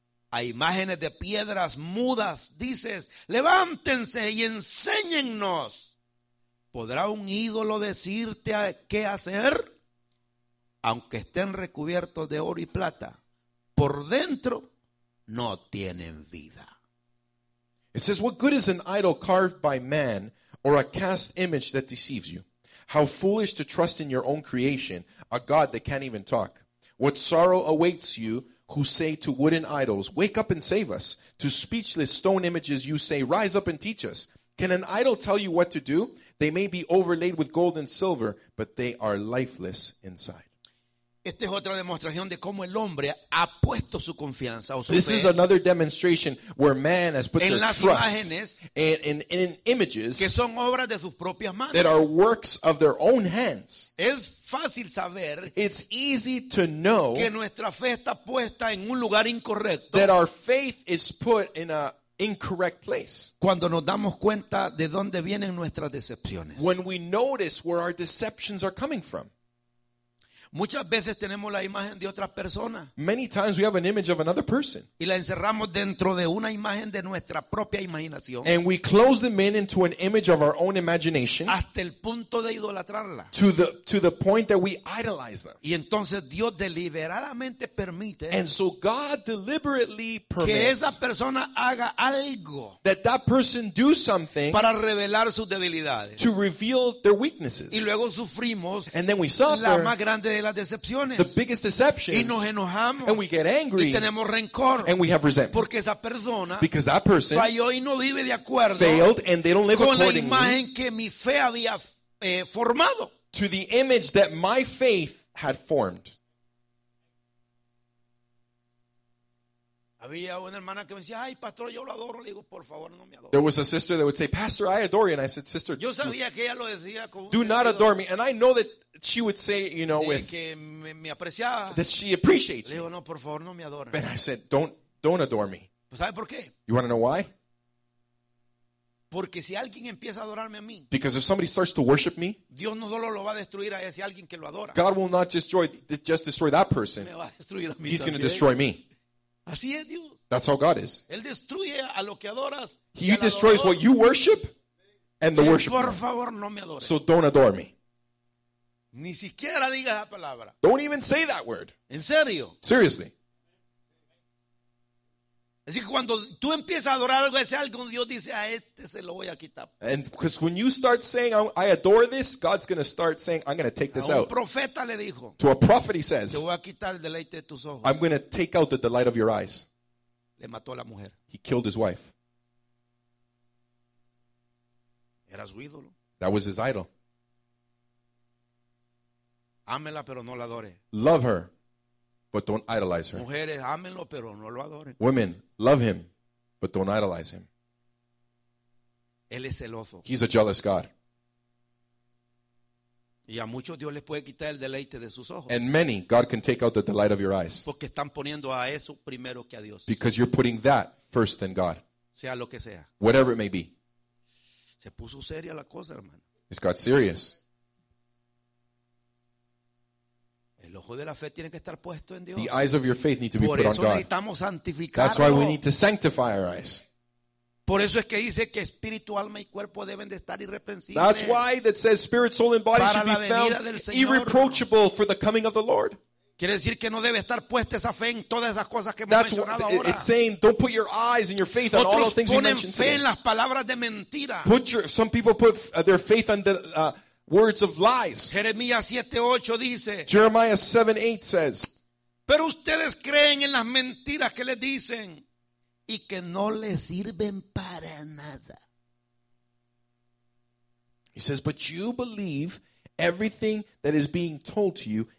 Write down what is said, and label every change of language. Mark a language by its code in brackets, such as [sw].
[es] A imágenes de piedras mudas dices, levántense y enséñennos. ¿Podrá un ídolo decirte qué hacer? Aunque estén recubiertos de oro y plata, por dentro no tienen vida. [en] It says, what good is an idol carved by man or a cast image that deceives you? How foolish to trust in your own creation, a God that can't even talk. What sorrow awaits you who say to wooden idols, wake up and save us. To speechless stone images you say, rise up and teach us. Can an idol tell you what to do? They may be overlaid with gold and silver, but they are lifeless inside. [es] Esta es otra demostración de cómo el hombre ha puesto su confianza o su fe. [en] This is another demonstration where man has put their trust in images [es] que son obras de sus propias manos. [en] That are works of their own hands. [es] Es fácil saber, [en] it's easy to know, [es] que nuestra fe está puesta en un lugar incorrecto. [en] That our faith is put in a incorrect place. [es] Cuando nos damos cuenta de dónde vienen nuestras decepciones. [en] When we notice where our deceptions are coming from. [es] Muchas veces tenemos la imagen de otra persona. [en] Many times we have an image of another person. [es] Y la encerramos dentro de una imagen de nuestra propia imaginación. [en] And we close them in into an image of our own imagination. [es] Hasta el punto de idolatrarla. [en] To the point that we idolize them. [es] Y entonces Dios deliberadamente permite. [en] And so God deliberately permits [es] que esa persona haga algo. [en] That person do something. [es] Para revelar sus debilidades. [en] To reveal their weaknesses. [es] Y luego sufrimos. [en] And then we suffer. [es] La más grande de las decepciones. [en] The biggest deceptions. [es] Y nos enojamos. [en] And we get angry. [es] Y tenemos rencor. [en] And we have resentment. [es] Porque esa persona. [en] Because that person. [es] Falló y no vive de acuerdo. [en] Failed and they don't live [es] con la imagen que mi fe había formado. [en] To the image that my faith had formed. [es] Había una hermana que me decía, ay, pastor, yo lo adoro. Le digo, por favor, no me adore. [en] There was a sister that would say, pastor, I adore you. And I said, sister, [es] yo sabía que ella lo decía con [en] do not adore me. And I know that she would say, you know, with [es] que me apreciaba. [en] That she appreciates [es] me. Le digo, no, por favor, no me adore. [en] But I said, don't adore me. [es] Pues, ¿sabe por qué? [en] You want to know why? [es] Porque si alguien empieza a adorarme a mí, [en] because if somebody starts to worship me, [es] Dios no solo lo va a destruir a ese alguien que lo adora. [en] God will not just destroy that person. [es] Me va a destruir a mí. [en] He's going to destroy me. [es] Así es Dios. [en] That's how God is. [es] Él destruye a lo que adoras. [en] He destroys what you worship and the worship. [es] Por favor, no me adores. [en] So don't adore me. [es] Ni siquiera diga esa palabra. [en] Don't even say that word. [es] ¿En serio? [en] Seriously. [es] Así que cuando tú empiezas a adorar algo, ese algo, Dios dice, a este se lo voy a quitar. [en] And because when you start saying, I adore this, God's going to start saying, I'm going to take this out. [es] A un profeta le dijo. [en] To a prophet, he says, [es] te voy a quitar el deleite de tus ojos. [en] I'm going to take out the delight of your eyes. [es] Le mató a la mujer. [en] He killed his wife. [es] Era su ídolo. [en] That was his idol. [es] Ámela, pero no la adore. [en] Love her. But don't idolize her. [es] Mujeres, ámenlo, pero no lo adoren. [en] Women, love him, but don't idolize him. [es] Él es celoso. [en] He's a jealous God. [es] Y a muchos Dios les puede quitar el deleite de sus ojos. [en] And many, God can take out the delight of your eyes. [es] Porque están poniendo a eso primero que a Dios. [en] Because you're putting that first than God. [es] Sea lo que sea. [en] Whatever it may be. [es] Se puso seria la cosa, hermano. [en] It's got serious. [es] El ojo de la fe tiene que estar puesto en Dios. [en] The eyes of your faith need to be [es] por [en] put on God. [es] Necesitamos santificarlo. [en] That's why we need to sanctify our eyes. [es] Por eso es que dice que espíritu, alma y cuerpo deben de estar irreprensibles. [en] That's why that says spirit, soul and body [es] para [en] should be found irreproachable for the coming of the Lord. [es] Quiere decir que no debe estar puesta esa fe en todas las cosas que [en] that's [es] hemos mencionado ahora. [en] It's saying don't put your eyes and your faith [es] otros [en] on all the things [es] ponen [en] we mentioned [es] fe [en] today. [es] En las palabras de mentira. [en] Some people put their faith on the words of lies. [es] Jeremiah 7:8 dice. [en] Jeremiah 7:8 says. [es] Pero ustedes creen en las mentiras que les dicen y que no les sirven para nada. [en] He says, but you believe everything that is being told to you.